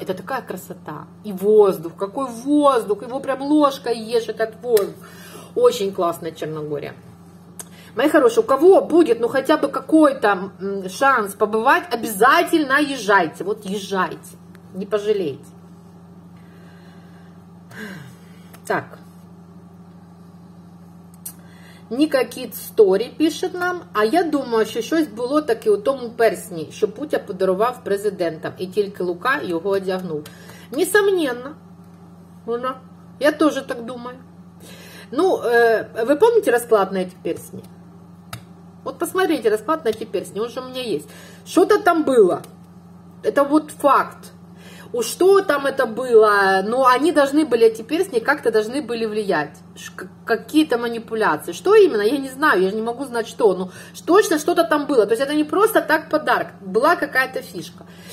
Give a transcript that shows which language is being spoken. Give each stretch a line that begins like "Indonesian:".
Russian: Это такая красота. И воздух, какой воздух, его прям ложкой ешь, этот воздух. Очень классная Черногория. Мои хорошие, у кого будет, ну, хотя бы какой-то шанс побывать, обязательно езжайте. Вот езжайте, не пожалеете.
Ukrainian: Так, Никакіт Сторі пише нам, а я думаю, що щось було таке у тому персні, що Путя подарував президентам, і тільки Лука його одягнув. Несомненно, вона, я теж так думаю. Ну, ви пам'ятаєте розклад на ці персні? От
Russian: посмотрите
Ukrainian: розклад на ці персні, він же у мене є. Що-то там було, це от факт.
Russian: У что там это было, но они должны были, эти персни, как-то должны были влиять, какие-то манипуляции, что именно, я не знаю, я же не могу знать, что, но точно что-то там было, то есть это не просто так подарок, была какая-то фишка.